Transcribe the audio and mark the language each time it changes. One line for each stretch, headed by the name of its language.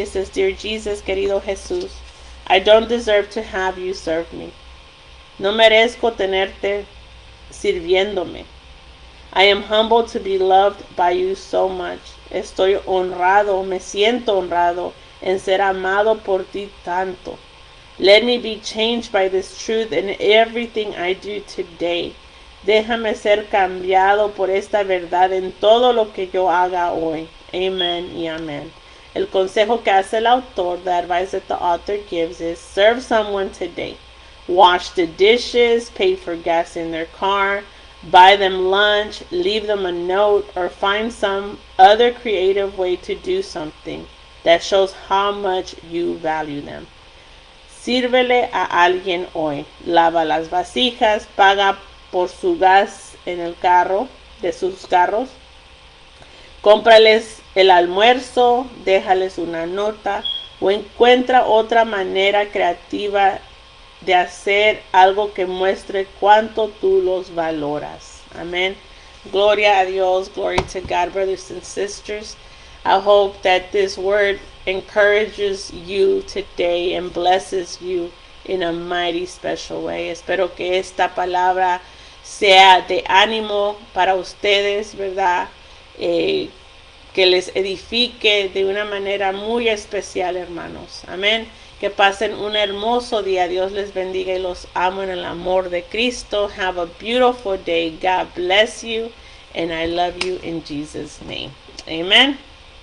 English: It says, Dear Jesus,
Spanish: querido Jesús,
English: I don't deserve to have you serve me.
Spanish: No merezco tenerte sirviéndome.
English: I am humbled to be loved by you so much.
Spanish: Estoy honrado, me siento honrado en ser amado por ti tanto.
English: Let me be changed by this truth in everything I do today.
Spanish: Déjame ser cambiado por esta verdad en todo lo que yo haga hoy. Amen y amen. El consejo que hace el autor,
English: the advice that the author gives is serve someone today. Wash the dishes, pay for gas in their car, buy them lunch, leave them a note, or find some other creative way to do something that shows how much you value them.
Spanish: Sírvele a alguien hoy. Lava las vasijas, paga por su gas en el carro, de sus carros. Cómprales el almuerzo, déjales una nota, o encuentra otra manera creativa de hacer algo que muestre cuánto tú los valoras. Amén. Gloria a Dios.
English: Glory to God, brothers and sisters. I hope that this word encourages you today and blesses you in a mighty special way.
Spanish: Espero que esta palabra sea de ánimo para ustedes, ¿verdad? Que les edifique de una manera muy especial, hermanos. Amén. Que pasen un hermoso día. Dios les bendiga y los amo en el amor de Cristo.
English: Have a beautiful day. God bless you. And I love you in Jesus' name. Amen.